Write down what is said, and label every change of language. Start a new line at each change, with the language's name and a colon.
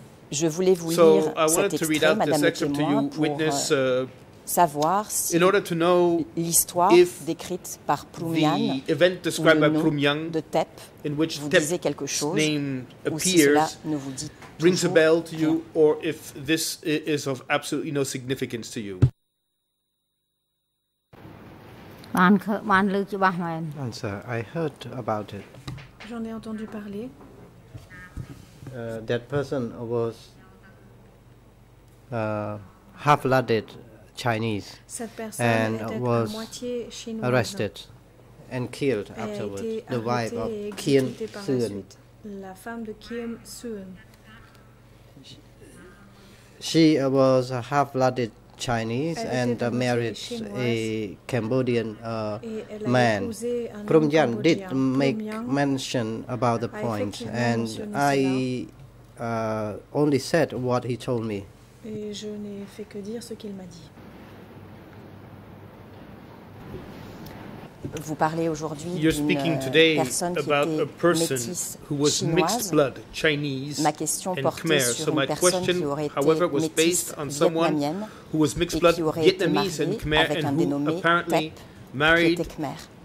French: Je voulais vous lire cet extrait, Madame et témoin, pour savoir si l'histoire décrite par Plumian de Tep vous disait quelque chose, ou si cela ne vous dit
English: rings a bell to you, or if this is of absolutely no significance to you. Answer, I heard about it.
French: J'en ai entendu parler.
English: That person was half-blooded Chinese and was arrested and killed afterwards, the wife of Kim Soon.
French: La femme de Kim Soon.
English: She was a half-blooded Chinese and married a Cambodian man. Prumjan did make mention about the point, and I only said what he told me.
French: Et je n'ai fait que dire ce qu'il m'a dit. Vous parlez aujourd'hui d'une personne qui était
English: mixed blood Chinese.
French: Ma question portait sur une personne qui aurait été mixed vietnamienne et qui aurait été mariée avec un dénommé Tep, qui était Khmer.